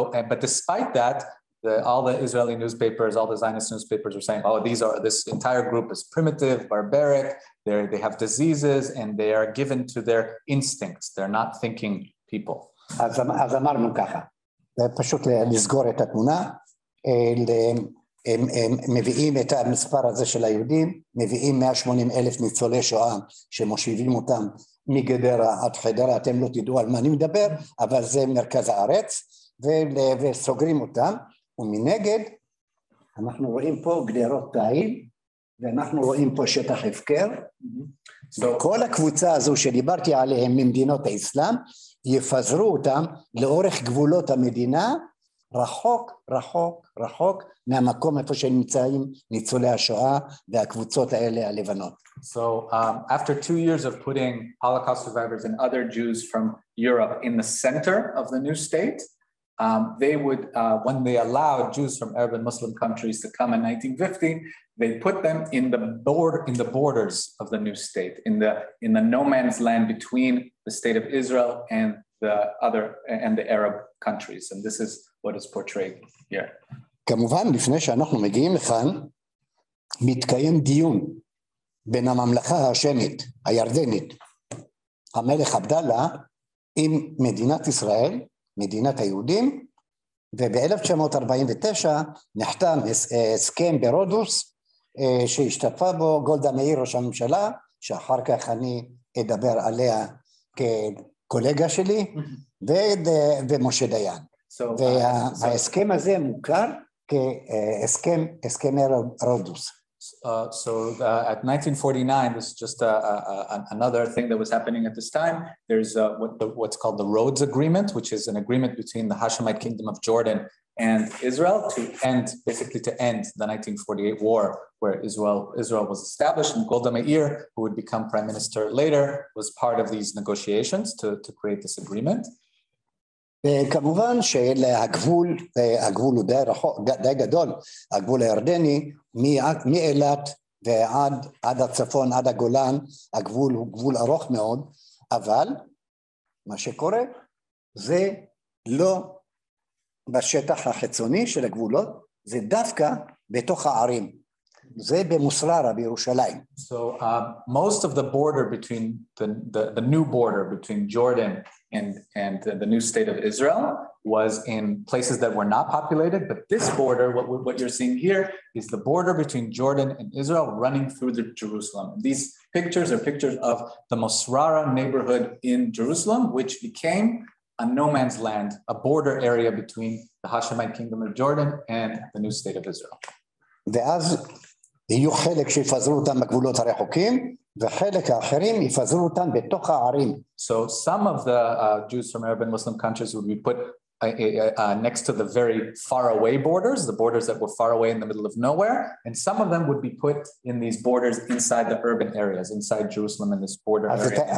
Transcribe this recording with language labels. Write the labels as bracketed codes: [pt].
[en] But despite that, all the Israeli newspapers, all the Zionist newspapers are saying, oh, this entire group is primitive, barbaric, they have diseases, and they are given to their instincts. They're not thinking people. [he] אז אמרנו ככה, פשוט לסגור את התמונה, הם מביאים את המספר הזה של היהודים, מביאים 180 אלף ניצולי שואה שמושיבים אותם מגדרה עד חדרה, אתם לא תדעו על מה אני מדבר, אבל זה מרכז הארץ, וסוגרים אותם, ומנגד אנחנו רואים פה גדרות תיל, ואנחנו רואים פה שטח הפקר, וכל הקבוצה הזו שדיברתי עליהם ממדינות האסלאם, יפזרו אותם לאורך גבולות המדינה, רחוק, רחוק, רחוק מהמקום איפה שנמצאים ניצולי השואה והקבוצות האלה הלבנות. [en] So after 2 years of putting Holocaust survivors and other Jews from Europe in the center of the new state, they would, when they allowed Jews from Arab and Muslim countries to come in 1915, they put them in the borders of the new state, in the no man's land between the state of Israel and the Arab countries. And this is what is portrayed here. [he] כמובן, לפני שאנחנו מגיעים לכאן, מתקיים דיון בין הממלכה השמית, הירדנית, המלך עבדאללה, עם מדינת ישראל, מדינת היהודים, וב-1949 נחתם הסכם ברודוס, שהשתתפה בו גולדה מאיר ראש הממשלה, שאחר כך אני אדבר עליה כקולגה שלי, ומשה דיין. וההסכם הזה מוכר כהסכם, הסכם רודוס. [en] At 1949, this is just another thing that was happening at this time. There's what's called the Rhodes Agreement, which is an agreement between the Hashemite Kingdom of Jordan and Israel to end the 1948 war where Israel was established. And Golda Meir, who would become prime minister later, was part of these negotiations to create this agreement. [he] וכמובן שהגבול, הגבול הוא די רחוק, די גדול, הגבול הירדני, מאילת ועד הצפון, עד הגולן, הגבול הוא גבול ארוך מאוד, אבל מה שקורה זה לא בשטח החיצוני של הגבולות, זה דווקא בתוך הערים, זה במוסררה בירושלים. [en] So most of the border between the new border between Jordan and the new state of Israel was in places that were not populated, but this border, what you're seeing here, is the border between Jordan and Israel running through the Jerusalem. These pictures are pictures of the Mosrara neighborhood in Jerusalem, which became a no man's land, a border area between the Hashemite kingdom of Jordan and the new state of Israel. [he] ואז יהיו חלק שיפזרו אותם בגבולות הרחוקים, וחלק האחרים יפזרו אותם בתוך הערים. [en] So some of the Jews from Arab and Muslim countries would be put next to the very far away borders, the borders that were far away in the middle of nowhere, and some of them would be put in these borders inside the urban areas, inside Jerusalem and this border area.